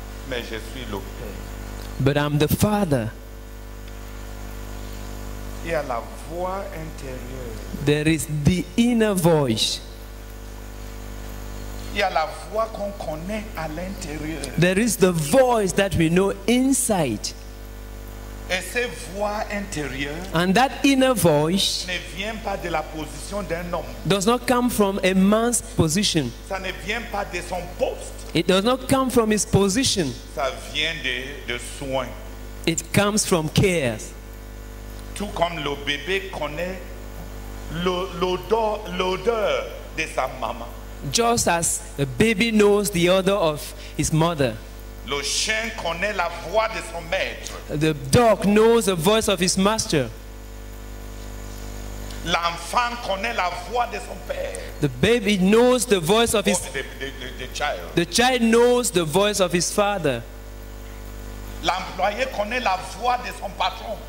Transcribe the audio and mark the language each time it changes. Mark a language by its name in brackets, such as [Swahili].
[French] mais je suis le Père. [English] But I'm the Father. [French] Il y a la voix intérieure. [English] There is the inner voice. [French] Il y a la voix qu'on connaît à l'intérieur. [English] There is the voice that we know inside. [French] Et cette voix intérieure, [English] and that inner voice, [French] ne vient pas de la position d'un homme. [English] Does not come from a man's position. [French] Ça ne vient pas de son poste. [English] It does not come from his position. [French] Ça vient de soin. [English] It comes from cares. [French] Tout comme le bébé connaît l'odeur de sa maman. [English] Just as a baby knows the odor of his mother. [French] Le chien connaît la voix de son maître. [English] The dog knows the voice of his master. [French] L'enfant connaît la voix de son père. [English] The baby knows the voice of his the child. The child knows the voice of his father. [French] L'employé connaît la voix de son patron.